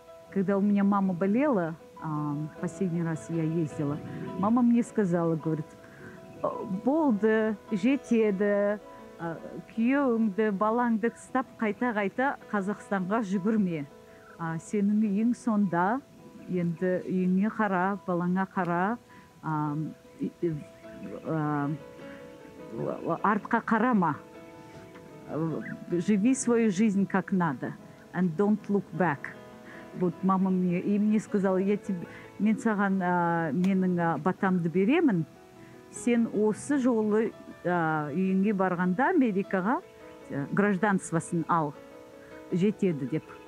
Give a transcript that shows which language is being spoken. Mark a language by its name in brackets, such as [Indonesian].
[Russian] Когда у меня мама болела, последний раз я ездила, мама мне сказала, говорит: [Kazakh] «Болды, жетеді, күйеуіңді, балаңды тастап, қайта-қайта Қазақстанға жүгірме. Сенің үйің сонда, енді үйіңе қара, балаңа қара, артқа қарама. [Russian] Живи свою жизнь как надо. [English] And don't look back». [Russian] Вот мама мне сказала: «Я тебе, [Kazakh] мен саған менің батамды беремін. Сен осы жолы үйінге барғанда Америкаға гражданствосын ал, жетеді», деп.